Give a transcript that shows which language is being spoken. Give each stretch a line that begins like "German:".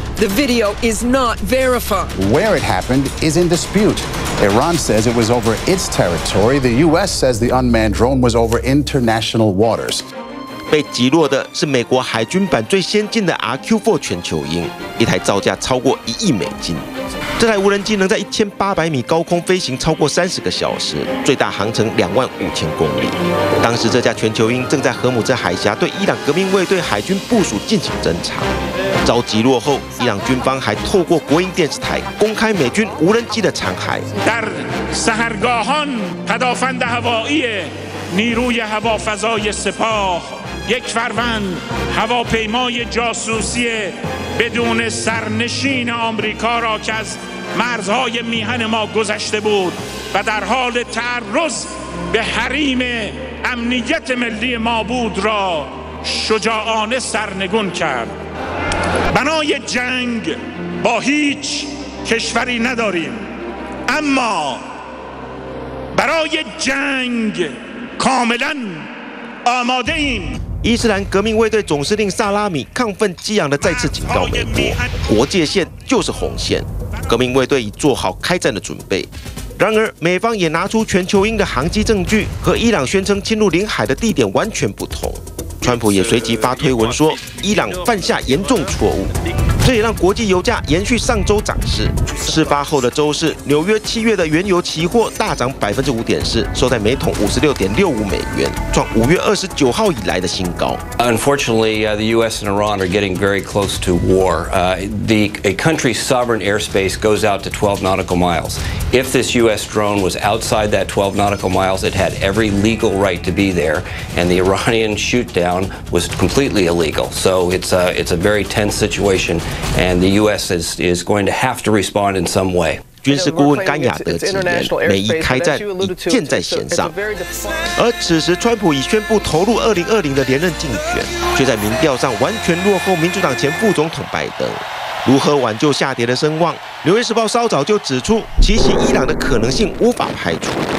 English: The video is not verified. Where it happened is in dispute. Iran says it was over its territory. The U.S. says the unmanned drone was over international waters.
Chinese: 被击落的是美国海军版最先进的 RQ-4 全球鹰，一台造价超过$1亿。这台无人机能在1800米高空飞行超过30个小时，最大航程25000公里。当时这架全球鹰正在霍姆兹海峡对伊朗革命卫队海军部署进行侦察。遭击落后，伊朗军方还透过国营电视台公开美军无人机的残骸。
Persian: در سهرگاهان هدفند هوایی نیروی هوافضای سپاه یک فروند هواپیمای جاسوسی بدون سرنشین آمریکا را که از مرزهای میهن ما گذشته بود و در حال تعرض به حریم امنیت ملی ما بود را شجاعانه سرنگون کرد. بنای جنگ با هیچ کشوری نداریم اما برای جنگ کاملا آماده ایم
Chinese: 伊斯兰革命卫队总司令萨拉米亢奋激昂地再次警告美国，国界线就是红线，革命卫队已做好开战的准备。然而美方也拿出全球鹰的航迹证据，和伊朗宣称侵入领海的地点完全不同。川普也随即发推文说，伊朗犯下严重错误，这也让国际油价延续上周涨势。事发后的周四，纽约七月的原油期货大涨5.4%，收在每桶56.65美元，创5月29号以来的新高。
English: Unfortunately, the U.S. and Iran are getting very close to war. A country's sovereign airspace goes out to 12 nautical miles. If this U.S. drone was outside that 12 nautical miles, it had every legal right to be there, and the Iranian shoot down was completely illegal. So it's a very tense situation, and the U.S. is going to have to respond in some way.
Chinese: 军事顾问甘雅德直言，美伊开战已箭在弦上。而此时，川普已宣布投入2020的连任竞选，却在民调上完全落后民主党前副总统拜登。如何挽救下跌的声望？《纽约时报》稍早就指出，奇袭伊朗的可能性无法排除。